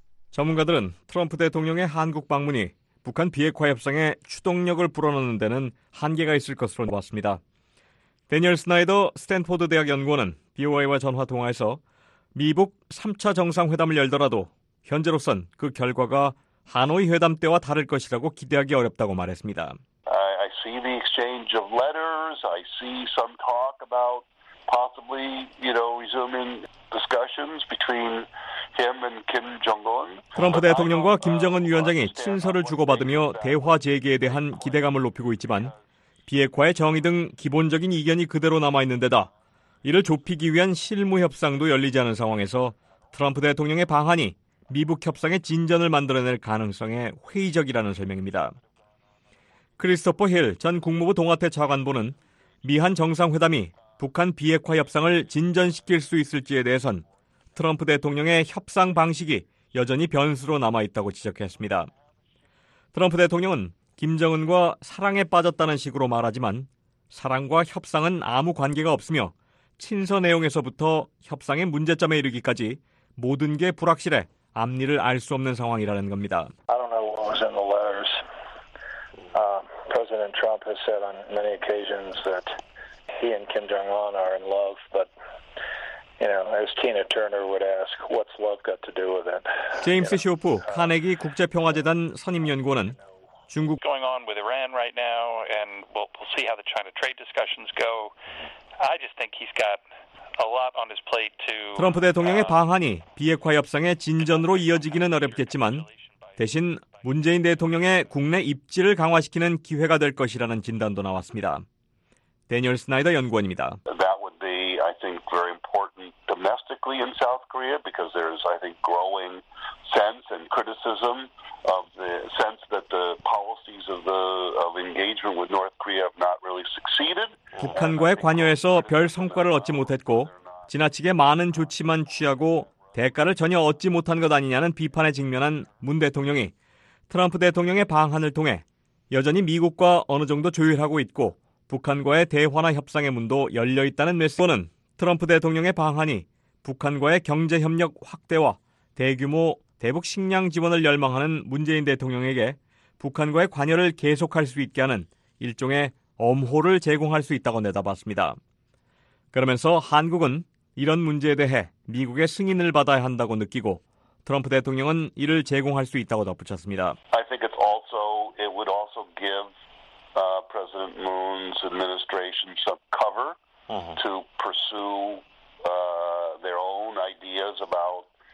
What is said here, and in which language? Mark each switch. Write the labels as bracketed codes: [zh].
[ko] 전문가들은 트럼프 대통령의 한국 방문이 북한 비핵화 협상에 추동력을 불어넣는 데는 한계가 있을 것으로 보았습니다. 대니얼 스나이더 스탠포드 대학 연구원은 BOI와 전화 통화에서 미북 3차 정상회담을 열더라도 현재로선 그 결과가 하노이 회담 때와 다를 것이라고 기대하기 어렵다고 말했습니다. [en] I see the exchange of letters. I see some talk about possibly, you know, resuming discussions between him and Kim Jong-un. [ko] 트럼프 대통령과 김정은 위원장이 친서를 주고받으며 대화 재개에 대한 기대감을 높이고 있지만 비핵화의 정의 등 기본적인 이견이 그대로 남아 있는 데다 이를 좁히기 위한 실무 협상도 열리지 않은 상황에서 트럼프 대통령의 방한이 미북 협상의 진전을 만들어낼 가능성에 회의적이라는 설명입니다. 크리스토퍼 힐 전 국무부 동아태 차관보는 미한 정상회담이 북한 비핵화 협상을 진전시킬 수 있을지에 대해선 트럼프 대통령의 협상 방식이 여전히 변수로 남아있다고 지적했습니다. 트럼프 대통령은 김정은과 사랑에 빠졌다는 식으로 말하지만 사랑과 협상은 아무 관계가 없으며 친서 내용에서부터 협상의 문제점에 이르기까지 모든 게 불확실해 앞니를 알 수 없는 상황이라는 겁니다. [en] I don't know what was in the letters. President Trump has said on many occasions that he and Kim Jong-un are in love, but you know, as Tina Turner would ask, what's love got to do with it? [ko] 제임스 쇼프 카네기 국제평화재단 선임 연구원은 중국 [en] going on with Iran right now and we'll see how the China trade discussions go. I just think he's got a lot on his plate to [ko] 트럼프 대통령의 방한이 비핵화 협상의 진전으로 이어지기는 어렵겠지만 대신 문재인 대통령의 국내 입지를 강화시키는 기회가 될 것이라는 진단도 나왔습니다. 대니얼 스나이더 연구원입니다. [en] That would be I think very important domestically in South Korea because there's I think growing sense and criticism of the sense that the policies of the of engagement with North Korea have not really succeeded. [ko] 북한과의 관여에서 별 성과를 얻지 못했고 지나치게 많은 조치만 취하고 대가를 전혀 얻지 못한 것 아니냐는 비판에 직면한 문 대통령이 트럼프 대통령의 방한을 통해 여전히 미국과 어느 정도 조율하고 있고 북한과의 대화나 협상의 문도 열려 있다는 메시지는 트럼프 대통령의 방한이 북한과의 경제 협력 확대와 대규모 대북 식량 지원을 열망하는 문재인 대통령에게 북한과의 관여를 계속할 수 있게 하는 일종의 엄호를 제공할 수 있다고 내다봤습니다. 그러면서 한국은 이런 문제에 대해 미국의 승인을 받아야 한다고 느끼고 트럼프 대통령은 이를 제공할 수 있다고 덧붙였습니다. [en] I think it's also, it would also give President Moon's administration some cover to pursue their own ideas about